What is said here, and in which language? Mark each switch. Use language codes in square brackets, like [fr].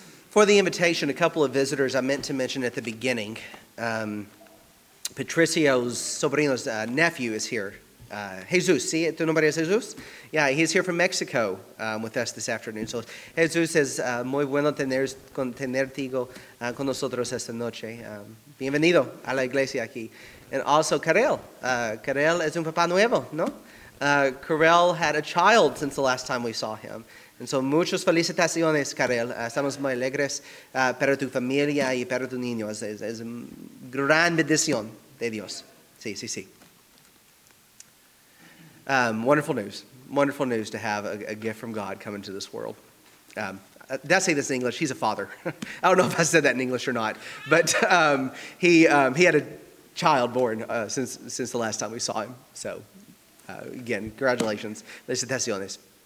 [en] For the invitation, a couple of visitors I meant to mention at the beginning. Patricio's sobrino's nephew is here. Jesus, [es] ¿sí? ¿Tu nombre es Jesus? [en] Yeah, he's here from Mexico with us this afternoon. [es] So, Jesus, es muy bueno tenerte con nosotros esta noche. Bienvenido a la iglesia aquí. [en] And also, [es] Karel. Karel es un papá nuevo, ¿no? [en] Karel had a child since the last time we saw him. And so, [es] muchas felicitaciones, Karel. Estamos muy alegres para tu familia y para tu niño. Es una gran bendición de Dios. Sí, sí, sí. [en] Wonderful news. Wonderful news to have a gift from God come into this world. Did I say this in English? He's a father. I don't know if I said that in English or not. But he had a child born since the last time we saw him. So, again, congratulations. Felicitaciones.